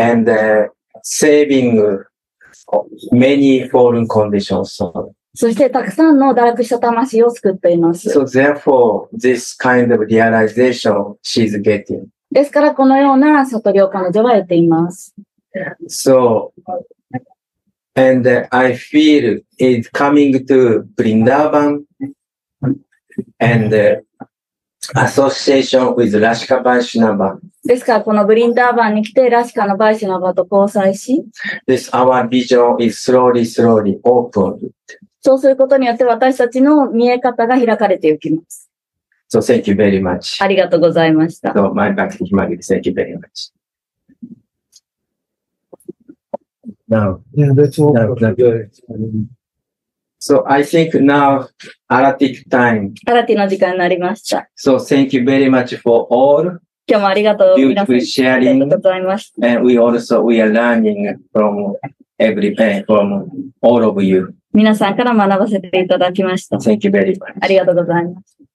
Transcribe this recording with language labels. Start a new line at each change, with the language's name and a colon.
English: And savingMany fallen conditions.
Japanese: そしてたくさんの堕落した魂を救っています。
English: So therefore, this kind of realization she's getting.
Japanese: ですからこのような悟りを彼女は得ています。
English: So, and I feel it coming to Vrindavan and association with Rashika Vaishnava.
Japanese: ですから、このブリンダーバンに来て、ラシカのバイシナバと交際し、
English: This our vision is slowly, slowly open.
Japanese: そうすることによって、私たちの見え方が開かれていきます。
English: So, thank you very much.
Japanese: ありがとうございました。
English: So, my back to Himagiri, thank you very much. Now, yeah, that's all. Now, good. So, I think now, Arati time.
Japanese: Arati の時間になりました。
English: So, thank you very much for all.
Japanese: 今日もありがとう。
English: Beautiful sharing. And we are learning from everybody, from all of you.
Japanese: 皆さんから学ばせていただきました。
English: Thank you very much.
Japanese: ありがとうございます。